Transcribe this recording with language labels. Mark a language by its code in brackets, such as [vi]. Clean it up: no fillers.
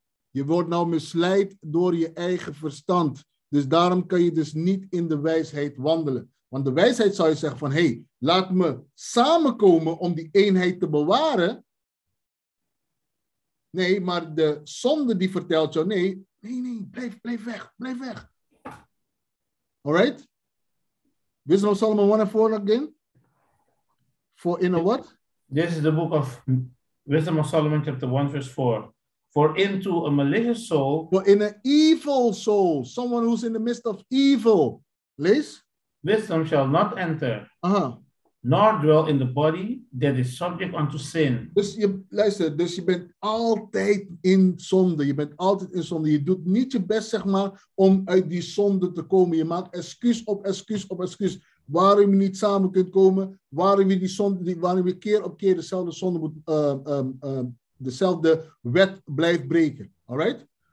[nl] Je wordt nou misleid door je eigen verstand. Dus daarom kan je dus niet in de wijsheid wandelen. Want de wijsheid zou je zeggen van, hey, laat me samenkomen om die eenheid te bewaren. Nee, maar de zonde die vertelt jou, nee, blijf weg. [en] Alright? Wisdom of Solomon 1 and 4 again? For in a what? This is the book of Wisdom of Solomon chapter 1 verse 4. For into a malicious soul. For in an evil soul. Someone who's in the midst of evil. Please. Wisdom shall not enter. Nor dwell in the body that is subject unto sin. [nl] Dus je, luister, dus je bent altijd in zonde. Je bent altijd in zonde. Je doet niet je best, zeg maar, om uit die zonde te komen. Je maakt excuus op excuus op excuus. Waarom je niet samen kunt komen. Waarom je die zonde, waarom je keer op keer dezelfde zonde moet, dezelfde wet blijft breken. All right?